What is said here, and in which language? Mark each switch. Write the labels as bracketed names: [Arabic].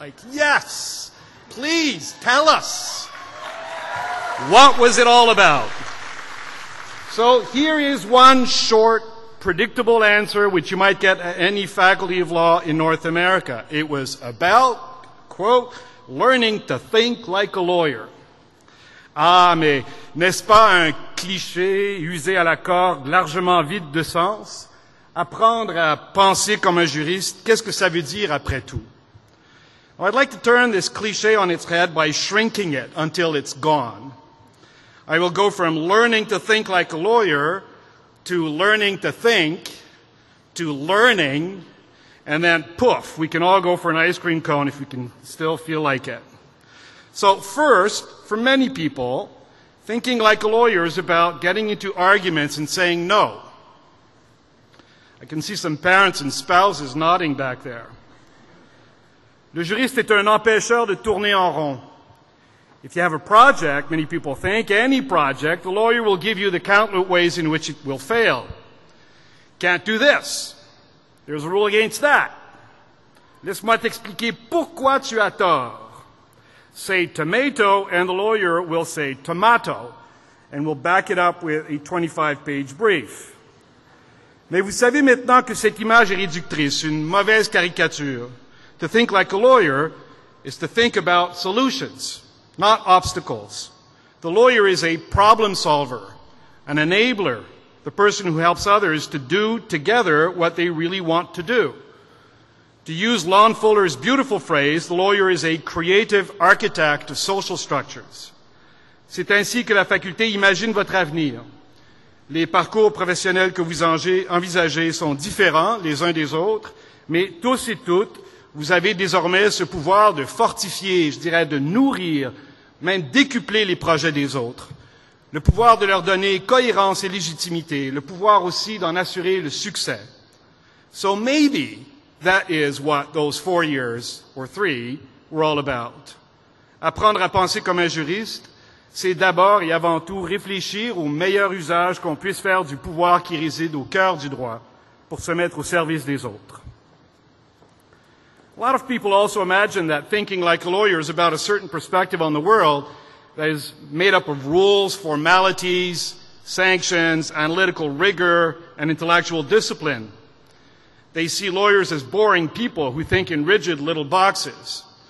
[English] Like, yes, please tell us, what was it all about? So here is one short, predictable answer which you might get at any faculty of law in North America. It was about, quote, learning to think like a lawyer. [French] Ah, mais n'est-ce pas un cliché usé à la corde, largement vide de sens? Apprendre à penser comme un juriste, qu'est-ce que ça veut dire après tout? [English] Well, I'd like to turn this cliché on its head by shrinking it until it's gone. I will go from learning to think like a lawyer to learning to think to learning, and then poof, we can all go for an ice cream cone if we can still feel like it. So first, for many people, thinking like a lawyer is about getting into arguments and saying no. I can see some parents and spouses nodding back there. [French] Le juriste est un empêcheur de tourner en rond. [English] If you have a project, many people think, any project, the lawyer will give you the countless ways in which it will fail. Can't do this. There's a rule against that. [French] Laisse-moi t'expliquer pourquoi tu as tort. [English] Say tomato, and the lawyer will say tomato, and will back it up with a 25-page brief. [French] Mais vous savez maintenant que cette image est réductrice, une mauvaise caricature. [English] To think like a lawyer is to think about solutions, not obstacles. The lawyer is a problem solver, an enabler, the person who helps others to do together what they really want to do. To use Lon Fuller's beautiful phrase, the lawyer is a creative architect of social structures. [French] C'est ainsi que la faculté imagine votre avenir. Les parcours professionnels que vous envisagez sont différents les uns des autres, mais tous et toutes, vous avez désormais ce pouvoir de fortifier, je dirais de nourrir, même décupler les projets des autres. Le pouvoir de leur donner cohérence et légitimité, le pouvoir aussi d'en assurer le succès. [English] So maybe that is what those 4 years, or three, were all about. [French] Apprendre à penser comme un juriste, c'est d'abord et avant tout réfléchir au meilleur usage qu'on puisse faire du pouvoir qui réside au cœur du droit pour se mettre au service des autres. [English] A lot of people also imagine that thinking like a lawyer is about a certain perspective on the world that is made up of rules, formalities, sanctions, analytical rigor, and intellectual discipline. They see lawyers as boring people who think in rigid little boxes.